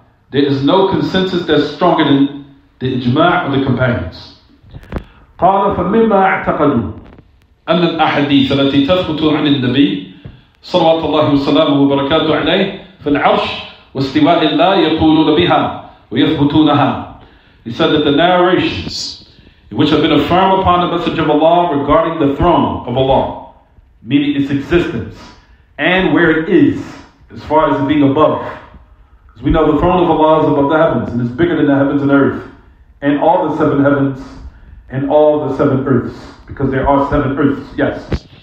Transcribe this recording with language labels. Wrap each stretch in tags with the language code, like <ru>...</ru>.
<en>There is no consensus that's stronger than the ijma' of the companions.</en> <ar>قال فمما اعتقدوا أن الأحاديث التي تثبت عن النبي صلوات الله وسلامه وبركاته عليه في العرش واستواء الله يقولون بها ويثبتونها.</ar> <en>He said that the narrations which have been affirmed upon the Messenger of Allah regarding the throne of Allah, meaning its existence and where it is, as far as it being above. As we know, the throne of Allah is above the heavens, and it's bigger than the heavens and earth, and all the seven heavens, and all the seven earths, because there are seven earths, yes.</en>